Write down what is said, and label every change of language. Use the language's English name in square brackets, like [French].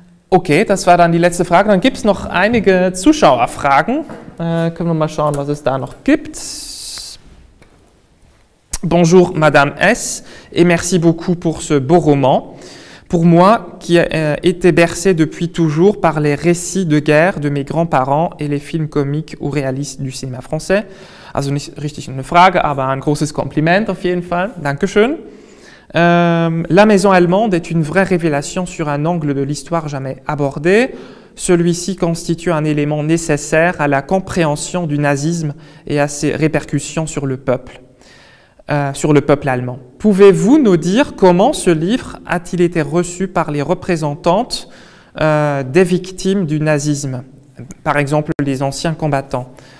[German] Ok, das war dann die letzte Frage. Dann gibt es noch einige Zuschauerfragen. Können wir mal schauen, was es da noch gibt. [French] Bonjour Madame S, et merci beaucoup pour ce beau roman. Pour moi, qui ai été bercé depuis toujours par les récits de guerre de mes grands-parents et les films comiques ou réalistes du cinéma français. [German] Also nicht richtig eine Frage, aber ein großes Kompliment auf jeden Fall. Dankeschön. [French] La maison allemande est une vraie révélation sur un angle de l'histoire jamais abordé. Celui-ci constitue un élément nécessaire à la compréhension du nazisme et à ses répercussions sur le peuple. Sur le peuple allemand. Pouvez-vous nous dire comment ce livre a-t-il été reçu par les représentantes des victimes du nazisme, par exemple les anciens combattants?